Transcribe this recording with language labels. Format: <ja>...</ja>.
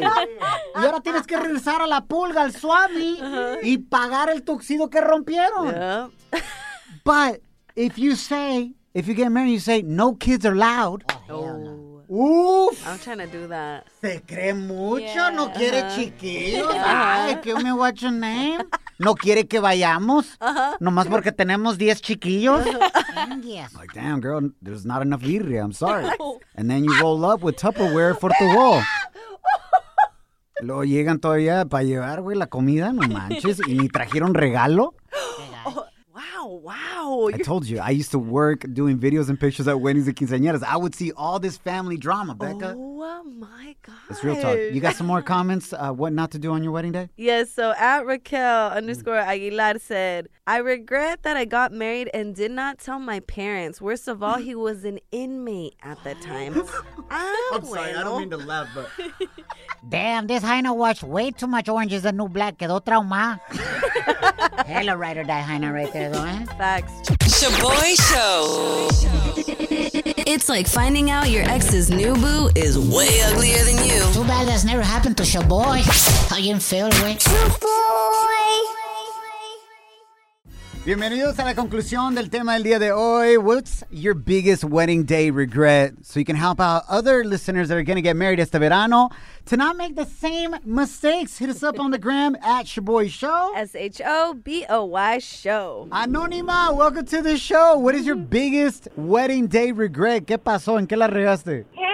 <es>Y ahora tienes que regresar a la pulga, al suami, uh-huh, y pagar el tuxedo que rompieron.</es> <en>Yeah. But if you say, if you get married, you say, no kids are allowed. Oh, oof. I'm trying to do that.</en> <es>Se cree mucho, yeah. No quiere chiquillos. Ay,</es> <en>give me what your name.</en> <es>No quiere que vayamos. Uh-huh. Nomás porque tenemos 10 chiquillos.</es> <en>Yes. Like, damn, girl, there's not enough birria. I'm sorry. And then you roll up with Tupperware for the wall.</en> <es>Luego llegan todavía para llevar, güey, la comida. No manches. Y ni trajeron regalo.</es> <en>Oh, wow. Wow. I told you. I used to work doing videos and pictures at weddings and quinceañeras. I would see all this family drama, Becca. Oh, my God. It's real talk. You got some more comments? What not to do on your wedding day? Yes. So at @Raquel_Aguilar said, I regret that I got married and did not tell my parents. Worst of all, he was an inmate at the time. I'm sorry. I don't mean to laugh, but. Damn, this hyena watched way too much Orange is the New Black.</en> <es>Quedó trauma.</es> <en>Hella ride or die hyena right there, though, eh? Facts. Shaboy Show. It's like finding out your ex's new boo is way uglier than you. Too bad that's never happened to Shaboy. How you feel, boy? Shaboy.</en> <es>Bienvenidos a la conclusión del tema del día de hoy.</es> <en>What's your biggest wedding day regret? So you can help out other listeners that are going to get married</en> <es>este verano</es> <en>to not make the same mistakes. Hit us up on the gram at Shaboy Show. S-H-O-B-O-Y Show. Anonima, welcome to the show. What is your biggest wedding day regret?</en> <es>¿Qué pasó? ¿En qué la regaste?</es>